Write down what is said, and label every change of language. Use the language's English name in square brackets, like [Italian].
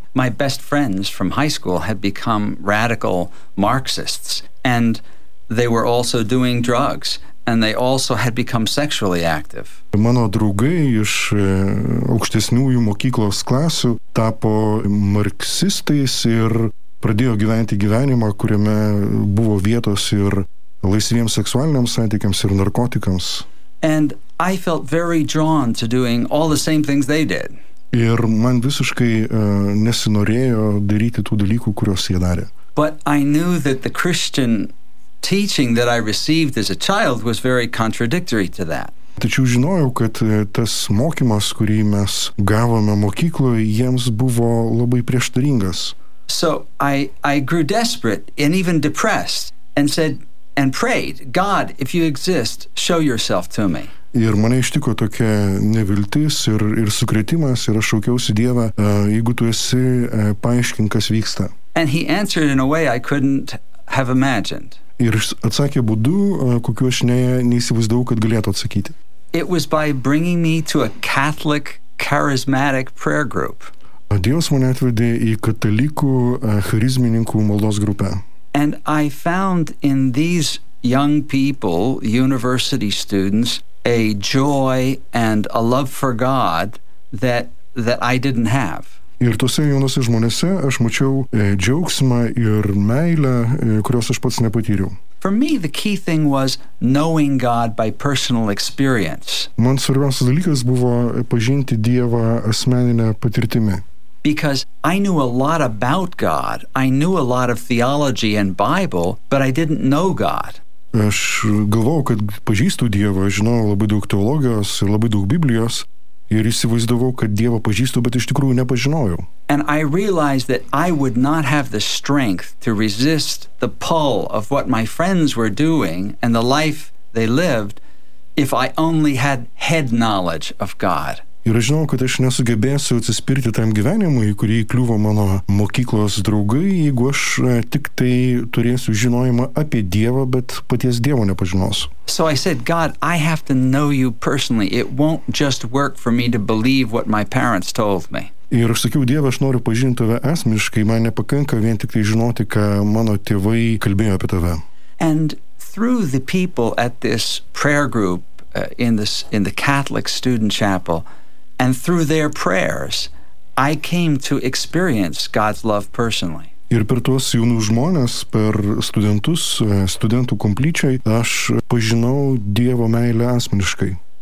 [English] My best friends from high school had become radical Marxists, and they were also doing drugs. And they also had become sexually active. [Lithuanian] Mano draugai iš aukštesniųjų mokyklos klasių tapo marksistais ir pradėjo gyventi gyvenimą, kuriame buvo vietos ir laisviems seksualiniams santykiams ir narkotikams. [English] And I felt very drawn to doing all the same things they did. [Lithuanian] Ir man visiškai nesinorėjo daryti tų dalykų, kuriuos jie darė. [English] But I knew that the Christian teaching that I received as a child was very contradictory to that. [Lithuanian] Tačiau žinojau, kad tas mokymas, kurį mes gavome mokykloje, jiems buvo labai prieštaringas. [English] So I grew desperate and even depressed and said and prayed, God, if you exist, show yourself to me. [Lithuanian] Ir mane ištiko tokia neviltis ir sukrėtimas ir aš šaukiausi Dievą, jeigu tu esi, paaiškink, kas vyksta. [English] And he answered in a way I couldn't have imagined. [Lithuanian] Ir atsakė būdu, kokiu aš neįsivaizdavau, kad galėtų atsakyti. [English] It was by bringing me to a Catholic charismatic prayer group. [Lithuanian] Dievas mane atvedė į katalikų charizmininkų maldos grupę. [English] And I found in these young people, university students, a joy and a love for God that I didn't have. [Lithuanian] Ir tuose jaunose žmonėse aš mačiau džiaugsmą ir meilę, kurios aš pats nepatyriau. [English] For me, the key thing was knowing God by personal experience. [Lithuanian] Man svarbiausias dalykas buvo pažinti Dievą asmeninę patirtimį. [English] Because I knew a lot about God, I knew a lot of theology and Bible, but I didn't know God. [Lithuanian] Aš galvojau, kad pažįstu Dievą, žinau labai daug teologijos ir labai daug Biblijos. Ir įsivaizdavau, kad Dievą pažįstu, bet iš tikrųjų nepažinojau. [English] And I realized that I would not have the strength to resist the pull of what my friends were doing and the life they lived if I only had head knowledge of God. [Lithuanian] Ir aš žinau, kad aš nesugebėsiu atsispirti tam gyvenimui, kurį įkliuvo mano mokyklos draugai, jeigu aš tik tai turėsiu žinojimą apie Dievą, bet paties Dievo nepažinosiu. [English] So I said, God, I have to know you personally. It won't just work for me to believe what my parents told me. [Lithuanian] Ir aš sakiau, Dieve, aš noriu pažinti tave asmeniškai, man nepakanka vien tik tai žinoti, ką mano tėvai kalbėjo apie tave. [English] And through the people at this prayer group in the Catholic student chapel, and through their prayers, I came to experience God's love personally. [Lithuanian] Ir per tuos jaunus žmonės, per studentus, studentų komplyčiai, aš pažinau Dievo meilę asmeniškai.